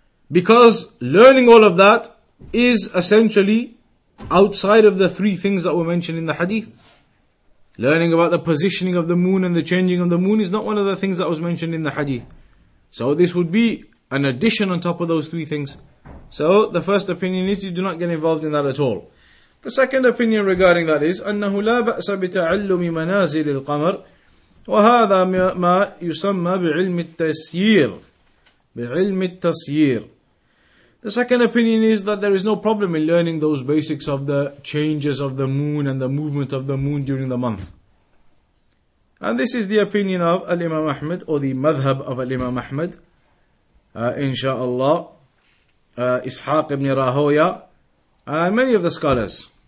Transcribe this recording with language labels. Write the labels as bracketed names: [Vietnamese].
[English] Because learning all of that is essentially outside of the three things that were mentioned in the hadith. Learning about the positioning of the moon and the changing of the moon is not one of the things that was mentioned in the hadith. So this would be an addition on top of those three things. So the first opinion is you do not get involved in that at all. The second opinion regarding that is [Arabic] أنه لا بأس بتعلم منازل القمر وهذا ما يسمى بعلم التسيير بعلم التسيير. [English] The second opinion is that there is no problem in learning those basics of the changes of the moon and the movement of the moon during the month. And this is the opinion of Al-Imam Ahmad, or the madhab of Al-Imam Ahmad, inshaAllah, Ishaq ibn Rahoya, many of the scholars.